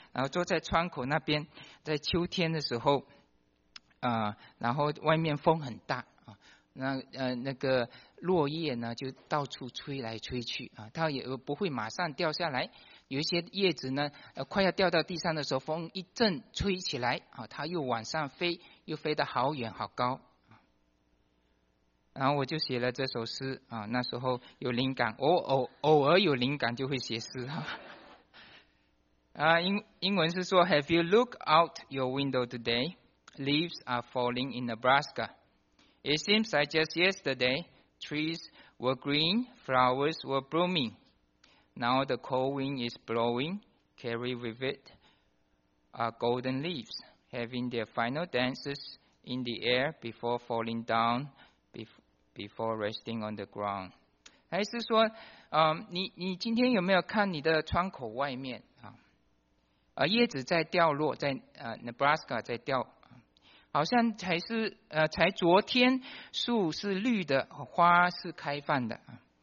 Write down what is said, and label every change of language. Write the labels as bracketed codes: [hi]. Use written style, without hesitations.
[zh] 然后坐在窗口那边，在秋天的时候，然后外面风很大啊，那个落叶呢就到处吹来吹去啊，它也不会马上掉下来，有一些叶子呢快要掉到地上的时候，风一阵吹起来啊，它又往上飞，又飞得好远好高。然后我就写了这首诗啊，那时候有灵感，偶尔有灵感就会写诗哈。英文是说 [en] ，Have you looked out your window today? Leaves are falling in Nebraska. It seems like just yesterday, trees were green, flowers were blooming. Now the cold wind is blowing, carry with it are golden leaves, having their final dances in the air before falling down. Before resting on the ground， [zh] 还是说，你今天有没有看你的窗口外面啊？叶子在掉落，在Nebraska 在掉，好像才是才昨天树是绿的，花是开放的啊。